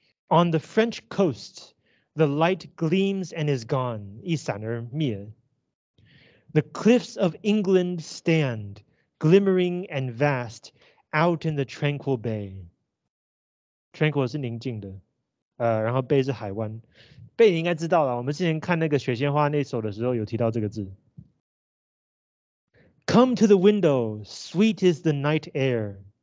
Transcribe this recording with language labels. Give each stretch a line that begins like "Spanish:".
English: On the French coast, the light gleams and is gone,
Chinese: 一闪而灭.
English: The cliffs of England stand, glimmering and vast, out in the tranquil bay.
Chinese: Tranquil 是宁静的, 然后 bay 是海湾。 bay 你应该知道了, 我们之前看那个雪仙花那首的时候有提到这个字。
English: Come to the window, sweet is the night air.